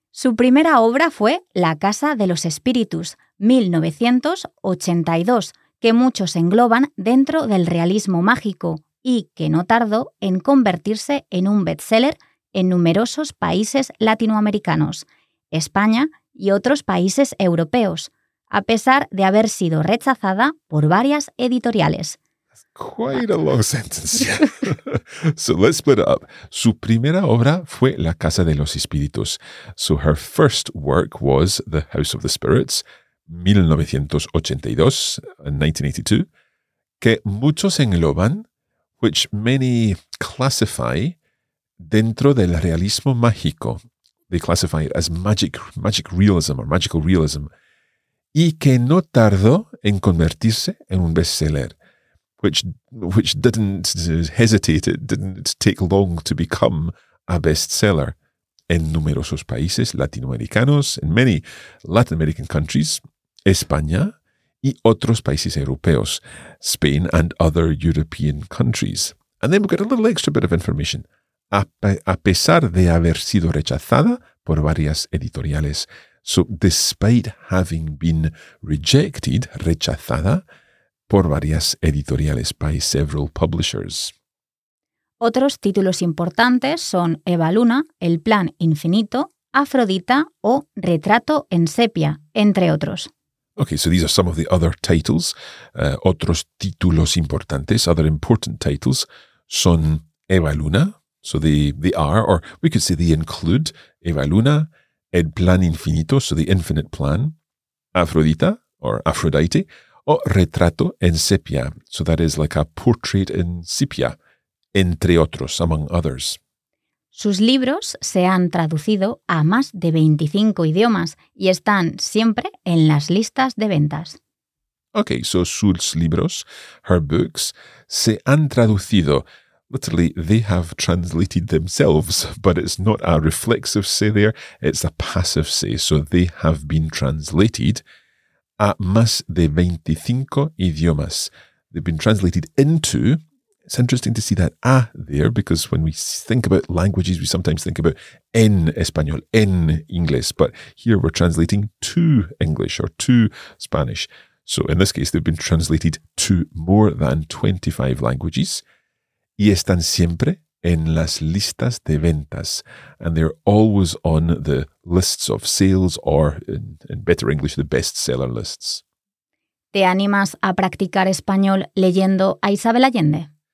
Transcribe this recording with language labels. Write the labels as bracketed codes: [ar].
[es] Su primera obra fue La Casa de los Espíritus, 1982, que muchos engloban dentro del realismo mágico y que no tardó en convertirse en un bestseller en numerosos países latinoamericanos, España y otros países europeos, a pesar de haber sido rechazada por varias editoriales. [en] Quite a long sentence, yeah. So let's split it up. [es] Su primera obra fue La Casa de los Espíritus. [en] So her first work was The House of the Spirits, 1982, [es] que muchos engloban, [en] which many classify, [es] dentro del realismo mágico. [en] They classify it as magic realism or magical realism. [es] Y que no tardó en convertirse en un bestseller. [en] Which didn't hesitate, it didn't take long to become a bestseller [es] en numerosos países latinoamericanos, [en] in many Latin American countries, [es] España y otros países europeos, [en] Spain and other European countries. And then we've got a little extra bit of information. [es] A pesar de haber sido rechazada por varias editoriales. [en] So despite having been rejected, rechazada, [es] por varias editoriales, [en] by several publishers. [es] Otros títulos importantes son Eva Luna, El Plan Infinito, Afrodita o Retrato en Sepia, entre otros. [en] Okay, so these are some of the other titles. [es] Otros títulos importantes, [en] other important titles, son Eva Luna, so they are, or we could say they include Eva Luna, El Plan Infinito, so the Infinite Plan, Afrodita, or Aphrodite, [es] o retrato en sepia. [en] So that is like a portrait in sepia, [es] entre otros, [en] among others. [es] Sus libros se han traducido a más de 25 idiomas y están siempre en las listas de ventas. [en] Okay, so [es] sus libros, [en] her books, [es] se han traducido. [en] Literally, they have translated themselves, but it's not a reflexive say there, it's a passive say. So they have been translated [es] a más de 25 idiomas. [en] They've been translated into. It's interesting to see that a there, because when we think about languages, we sometimes think about [es] en español, en inglés. [en] But here we're translating to English or to Spanish. So in this case, they've been translated to more than 25 languages. [es] Y están siempre en las listas de ventas. [en] And they're always on the lists of sales or, in better English, the bestseller lists. [es] ¿Te animas a practicar español leyendo a Isabel Allende?